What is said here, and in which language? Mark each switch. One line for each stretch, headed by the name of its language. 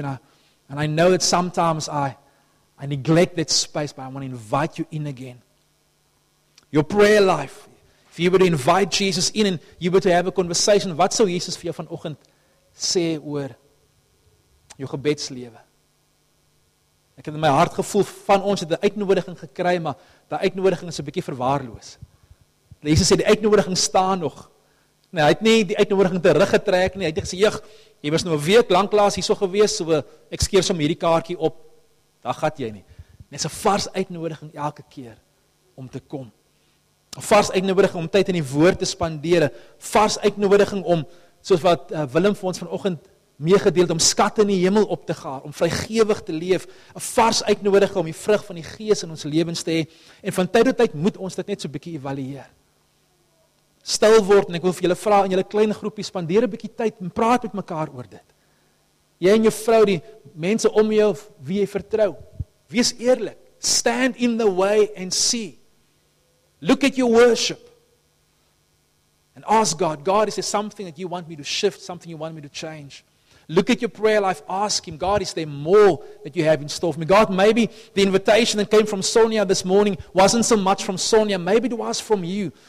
English: And I know that sometimes I neglect that space, but I want to invite you in again. Your prayer life. If you were to invite Jesus in and you were to have a conversation,
Afrikaans: wat sou Jesus vir jou vanoggend sê oor jou gebedslewe? Ek het in my hart gevoel van ons het 'n uitnodiging gekry, maar die uitnodiging is 'n bietjie verwaarloos. Jesus sê die uitnodiging staan nog. Nee, hy het nie die uitnodiging teruggetrek nie. Hy het gesê, "Jeug, jy was nou 'n week lank laas hierso gewees, so ek skeer sommer hierdie kaartjie op. Daar gat jy nie." Dis 'n vars uitnodiging elke keer om te kom. 'n Vars uitnodiging om tyd in die woord te spandeer, vars uitnodiging om soos wat Willem vir ons vanoggend meegedeel het om skatte in die hemel op te gaar, om vrygewig te leef, 'n vars uitnodiging om die vrug van die Gees in ons lewens te hê en van tyd tot tyd moet ons dit net so 'n bietjie evalueer. Stil word en ek wil vir julle vra in julle klein groepie spandeer 'n bietjie tyd en praat met mekaar oor dit. Jy en jou vrou, die mense om jou wie jy vertrou. Wees eerlik.
English: Stand in the way and see. Look at your worship. and ask God, God, is there something that you want me to shift, something you want me to change? Look at your prayer life, ask Him, God, is there more that you have in store for me? God, maybe the invitation that came from Sonia this morning wasn't so much from Sonia, maybe it was from you.